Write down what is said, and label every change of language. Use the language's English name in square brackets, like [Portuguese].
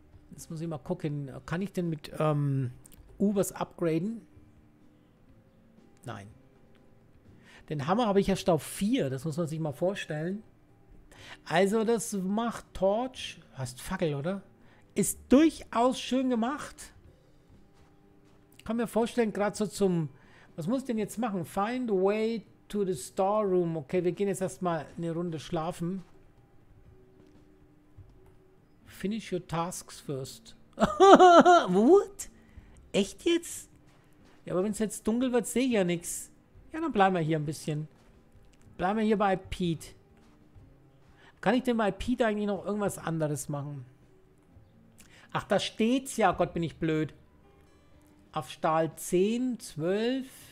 [German] Jetzt muss ich mal gucken. Kann ich denn mit Ubers upgraden? Nein. Den Hammer habe ich erst auf 4. Das muss man sich mal vorstellen. Also das macht Torch. Heißt Fackel, oder? Ist durchaus schön gemacht. Kann mir vorstellen, gerade so zum... Was muss ich denn jetzt machen? [English] Find a way to the storeroom. [German] Okay, wir gehen jetzt erstmal eine Runde schlafen. [English] Finish your tasks first. What? [German] Echt jetzt? Ja, aber wenn es jetzt dunkel wird, sehe ich ja nichts. Ja, dann bleiben wir hier ein bisschen. Bleiben wir hier bei Pete. Kann ich denn bei Pete eigentlich noch irgendwas anderes machen? Ach, da steht's ja. Gott, bin ich blöd. Auf Stahl 10, 12.